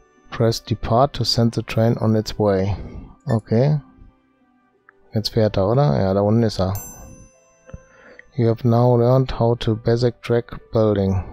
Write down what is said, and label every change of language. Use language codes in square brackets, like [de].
[en] Press depart to send the train on its way. [de] Okay. Jetzt fährt er, oder? Ja, da unten ist er. [en] You have now learned how to basic track building.